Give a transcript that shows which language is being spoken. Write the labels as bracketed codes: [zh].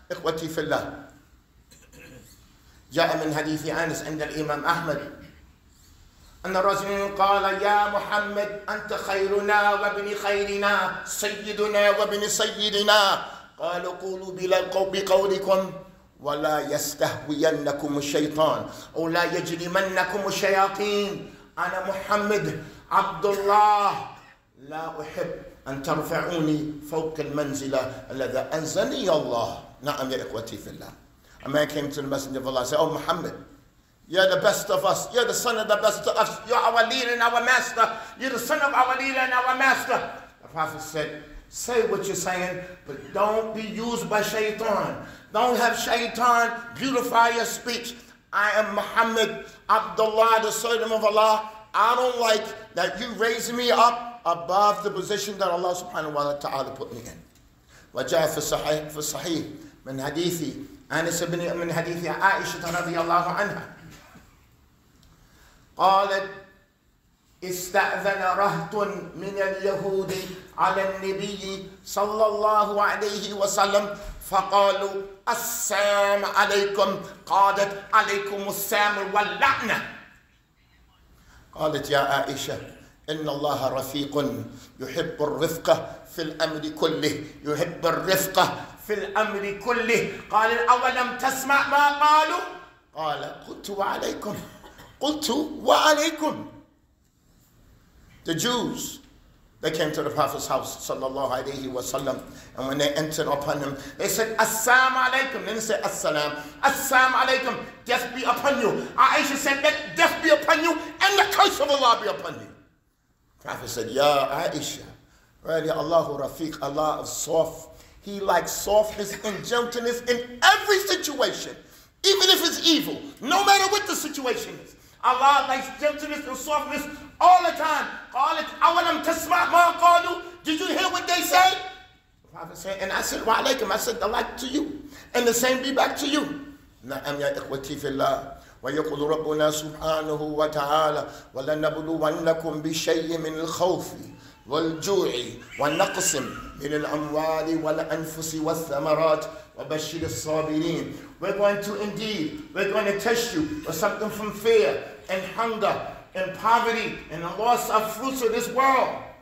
[ar] إخوتي في الله، جاء من حديث أنس عند الإمام أحمد أن الرسول قال: يا محمد، أنت خيرنا وابن خيرنا، سيدنا وابن سيدنا. قال: قولوا بقولكم ولا يستهوينكم الشيطان أو لا يجرمنكم الشياطين. أنا محمد عبد الله، لا أحب أن ترفعوني فوق المنزلة الذي أنزلني الله. نعم يا إخوتي في الله. [en] A man came to the Messenger of Allah and said, Oh Muhammad, you're the best of us. You're the son of the best of us. You're our leader and our master. You're the son of our leader and our master. The Prophet said, Say what you're saying, but don't be used by shaitan. Don't have shaitan beautify your speech. I am Muhammad Abdullah, the servant of Allah. I don't like that you raise me up above the position that Allah subhanahu wa ta'ala put me in. [ar] وجاء في الصحيح من حديث أنس بن من حديث عائشة رضي الله عنها قالت: استأذن رهط من اليهود على النبي صلى الله عليه وسلم فقالوا: السلام عليكم. قالت: عليكم السلام واللعنة. قالت يا عائشة: إن الله رفيق يحب الرفقة في الأمر كله، يحب الرفقة في الأمر كله. قال: أولم تسمع ما قالوا؟ قال: قلت وعليكم. قلت وعليكم. [en] The Jews, they came to the Prophet's house sallallahu alayhi wa sallam, and when they entered upon him, they said assalamu alaykum. They didn't say assalam. Assalamu alaykum, death be upon you. Aisha said, let death be upon you and the curse of Allah be upon you. Prophet said, ya Aisha, really [ar] Allahu Rafiq, [en] Allah is soft. He likes softness and gentleness in every situation, even if it's evil, no matter what the situation is. Allah likes gentleness and softness all the time. [ar] قالت أولم تسمع ما قالوا. [en] Did you hear what they say? The Prophet said, and I said, [ar] wa alaykum. [en] I said, the like to you. And the same be back to you. [ar] نعم يا إخوتي في الله. ويقول ربنا سبحانه وتعالى ولنبلونكم بشيء من الخوف والجوع والنقص من الأموال والأنفس والثمرات وبشر الصابرين. [en] We're going to indeed, we're going to test you with something from fear and hunger and poverty and the loss of fruits of this world.